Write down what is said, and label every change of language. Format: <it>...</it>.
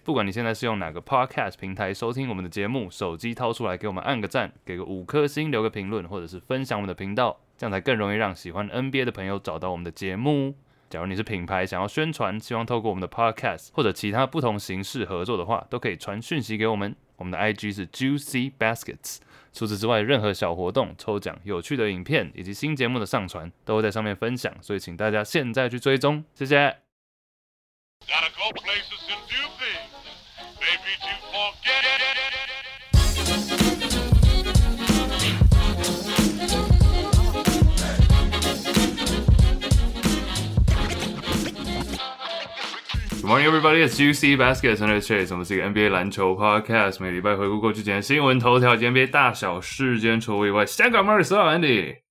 <zh>不管你现在是用哪个 Podcast 平台收听我们的节目，手机掏出来给我们按个赞，给个五颗星，留个评论，或者是分享我们的频道，这样才更容易让喜欢 NBA 的朋友找到我们的节目。假如你是品牌想要宣传，希望透过我们的 Podcast 或者其他不同形式合作的话，都可以传讯息给我们。我们的 IG 是 Juicy Baskets。除此之外，任何小活动、抽奖、有趣的影片以及新节目的上传都会在上面分享，所以请大家现在去追踪，谢谢。</zh> <en>Gotta go places and do things. Maybe to forget it. Good morning, everybody. It's Juicy Baskets and it's Chase.</en> <zh>我们是一个 NBA 篮球 podcast， 每礼拜回顾过去几天新闻头条及 NBA 大小事件。除我以外，香港 Marcus 和 Andy。</zh>